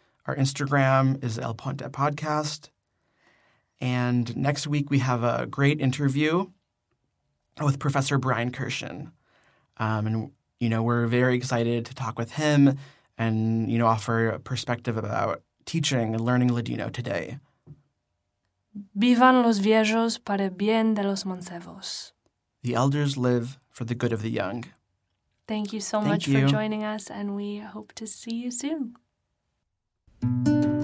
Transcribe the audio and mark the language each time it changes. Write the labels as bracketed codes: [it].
[en] Our Instagram is elpontepodcast. And next week we have a great interview with Professor Brian Kirshen. And, you know, we're very excited to talk with him and, you know, offer a perspective about teaching and learning Ladino today. [lad] Vivan los viejos para bien de los mancebos. [en] The elders live for the good of the young. Thank you so much for joining us, and we hope to see you soon.